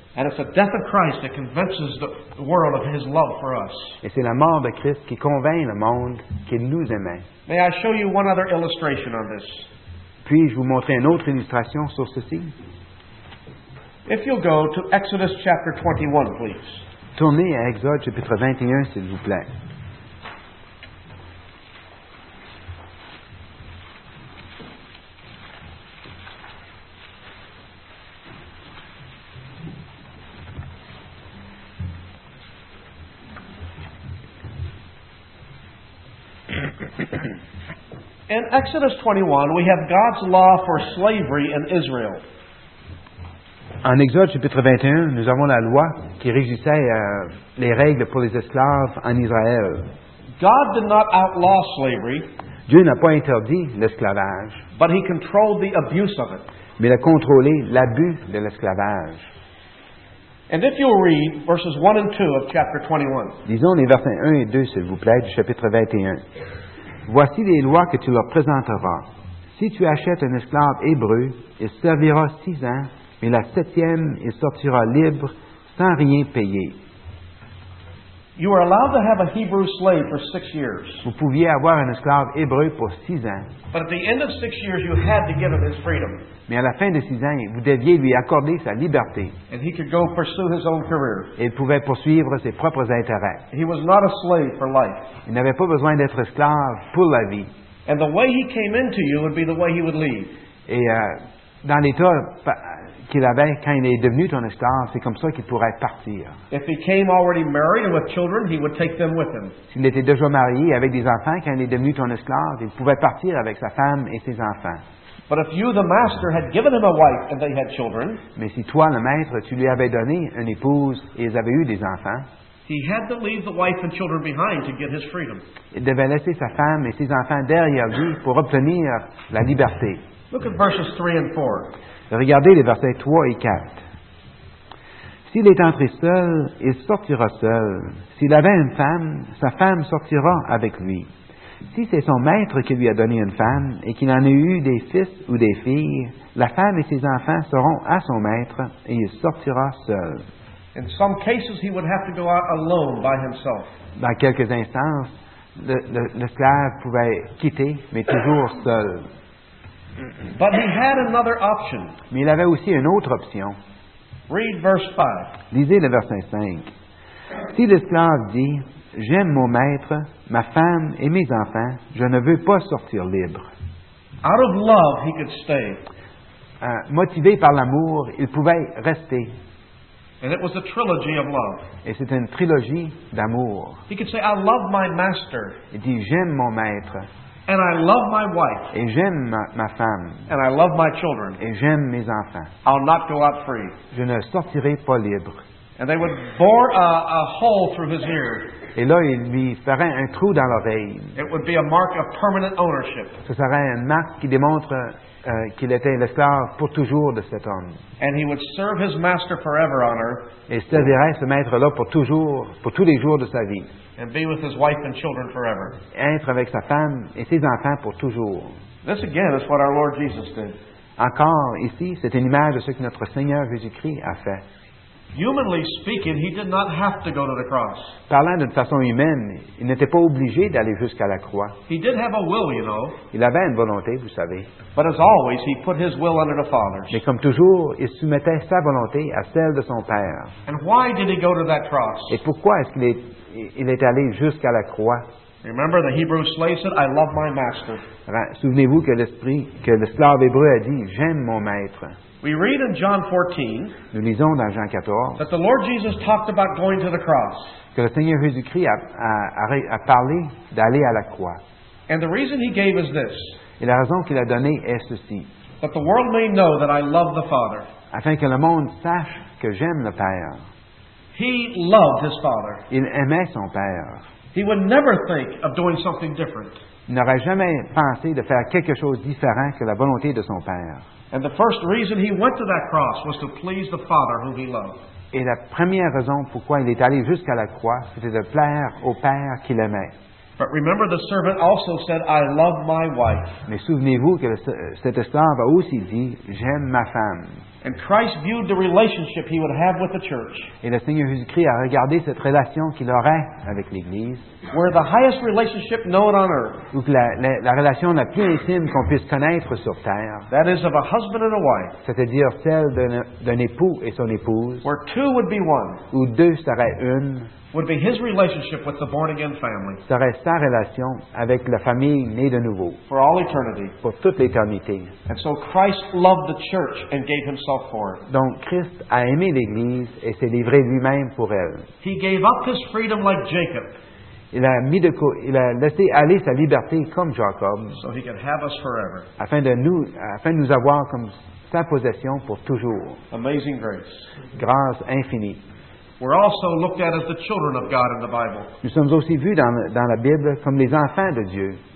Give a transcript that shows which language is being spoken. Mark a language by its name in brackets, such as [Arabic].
[English] And it's the death of Christ that convinces the world of His love for us. [French] Et c'est la mort de Christ qui convainc le monde qu'il nous aimait. [English] May I show you one other illustration on this? [French] Puis-je vous montrer une autre illustration sur ceci? [English] If you'll go to Exodus chapter 21, please. [French] Tournez à Exode chapitre 21, s'il vous plaît. [English] In Exodus 21, we have God's law for slavery in Israel. [French] En Exode chapitre 21, nous avons la loi qui régissait les règles pour les esclaves en Israël. [English] God did not outlaw slavery. [French] Dieu n'a pas interdit l'esclavage. [English] But he controlled the abuse of it. [French] Mais il a contrôlé l'abus de l'esclavage. [English] And if you'll read verses 1 and 2 of chapter 21. [French] Lisons les versets 1 et 2, s'il vous plaît, du chapitre 21. Voici les lois que tu leur présenteras. Si tu achètes un esclave hébreu, il servira 6 ans, mais la 7e, il sortira libre sans rien payer. [English] You are allowed to have a Hebrew slave for 6 years. [French] Vous pouviez avoir un esclave hébreu pour 6 ans. [English] But at the end of 6 years, you had to give him his freedom. [French] Mais à la fin de 6 ans, vous deviez lui accorder sa liberté. [English] And he could go pursue his own career. [French] Et il pouvait poursuivre ses propres intérêts. [English] He was not a slave for life. [French] Il n'avait pas besoin d'être esclave pour la vie. [English] And the way he came into you would be the way he would leave. [French] Et dans l'état qu'il avait quand il est devenu ton esclave, c'est comme ça qu'il pourrait partir. [English] If he came already married and with children, he would take them with him. [French] S'il était déjà marié avec des enfants quand il est devenu ton esclave, il pouvait partir avec sa femme et ses enfants. [English] But if you, the master, had given him a wife and they had children, [French] mais si toi, le maître, tu lui avais donné une épouse et ils avaient eu des enfants, [English] he had to leave the wife and children behind to get his freedom. [French] Il devait laisser sa femme et ses enfants derrière lui pour obtenir la liberté. [English] Look at verses 3 and 4. [French] Regardez les versets 3 et 4. S'il est entré seul, il sortira seul. S'il avait une femme, sa femme sortira avec lui. Si c'est son maître qui lui a donné une femme et qu'il en ait eu des fils ou des filles, la femme et ses enfants seront à son maître et il sortira seul. [English] In some cases, he would have to go out alone by himself. [French] Dans quelques instances, l'esclave pouvait quitter, mais toujours seul. [English] But he had another option. [French] Mais il avait aussi une autre option. [English] Read verse 5. [French] Lisez le verset 5. Si l'esclave dit, j'aime mon maître, ma femme et mes enfants, je ne veux pas sortir libre. [English] Out of love, he could stay. [French] Motivé par l'amour, il pouvait rester. [English] And it was a trilogy of love. [French] Et c'est une trilogie d'amour. [English] He could say, I love my master. [French] Il dit, j'aime mon maître. [English] And I love my wife. [French] Et j'aime ma femme. [English] And I love my children. [French] Et j'aime mes enfants. [English] I'll not go out free. [French] Je ne sortirai pas libre. [English] And they would bore a hole through his ear. [French] Et là, il lui ferait un trou dans l'oreille. [English] It would be a mark of permanent ownership. [French] Ce serait une marque qui démontre qu'il était l'esclave pour toujours de cet homme. [English] And he would serve his master forever on her. [French] Et servirait ce maître-là pour toujours, pour tous les jours de sa vie. [English] And be with his wife and children forever. [French] Être avec sa femme et ses enfants pour toujours. [English] This again is what our Lord Jesus did. [French] Encore ici, c'est une image de ce que notre Seigneur Jésus-Christ a fait. [English] Humanly speaking, he did not have to go to the cross. [French] Parlant d'une façon humaine, il n'était pas obligé d'aller jusqu'à la croix. [English] He did have a will, you know. [French] Il avait une volonté, vous savez. [English] But as always, he put his will under the Father's. [French] Mais comme toujours, il soumettait sa volonté à celle de son Père. [English] And why did he go to that cross? [French] Et pourquoi est-ce qu'il est allé jusqu'à la croix? [English] Remember, the Hebrew slave said, "I love my master." [French] Souvenez-vous que l'esclave hébreu a dit, j'aime mon maître. [English] We read in John 14, [French] nous lisons dans Jean 14 [English] that the Lord Jesus talked about going to the cross. [French] Que le Seigneur Jésus-Christ a parlé d'aller à la croix. [English] And the reason he gave is this. [French] Et la raison qu'il a donnée est ceci. [English] That the world may know that I love the Father. [French] Afin que le monde sache que j'aime le Père. [English] He loved his Father. [French] Il aimait son Père. [English] He would never think of doing something different. [French] Il n'aurait jamais pensé de faire quelque chose différent que la volonté de son Père. [English] And the first reason he went to that cross was to please the Father whom he loved. [French] Et la première raison pourquoi il est allé jusqu'à la croix, c'était de plaire au Père qu'il aimait. [English] But remember, the servant also said, "I love my wife." [French] Mais souvenez-vous que cet esclave a aussi dit, j'aime ma femme. [English] And Christ viewed the relationship he would have with the church. [French] Et le Seigneur Jésus-Christ a regardé cette relation qu'il aurait avec l'Église. [English] Where the highest relationship known on earth. [French] Où la relation la plus intime qu'on puisse connaître sur terre. [English] That is of a husband and a wife. [French] C'est-à-dire celle d'un époux et son épouse. [English] Where two would be one. [French] Où deux seraient une. [English] Would be his relationship with the born again family. [French] Serait sa relation avec la famille née de nouveau. [English] For all eternity. [French] Pour toute l'éternité. [English] And so Christ loved the church and gave himself for it. [French] Donc Christ a aimé l'Église et s'est livré lui-même pour elle. [English] He gave up his freedom like Jacob. [French] Il a laissé aller sa liberté comme Jacob. [English] So he could have us forever. [French] Afin de nous avoir comme sa possession pour toujours. [English] Amazing grace. [French] Grâce infinie. [English] We're also looked at as the children of God in the Bible. [French] Nous sommes aussi vus dans la Bible comme les enfants de Dieu.